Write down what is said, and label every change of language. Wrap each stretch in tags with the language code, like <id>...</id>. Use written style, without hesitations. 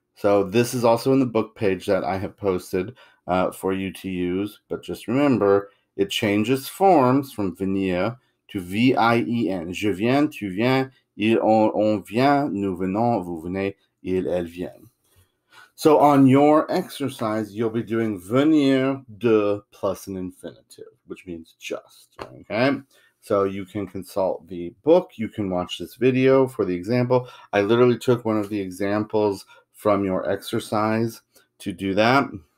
<en>So, this is also in the book page that I have posted for you to use, but just remember, it changes forms from venir to V-I-E-N.</en> <fr>Je viens, tu viens, il, on vient, nous venons, vous venez, il, elle vient.</fr> <en>So on your exercise, you'll be doing venir de plus an infinitive, which means just, okay? So you can consult the book, you can watch this video for the example. I literally took one of the examples from your exercise to do that.</en>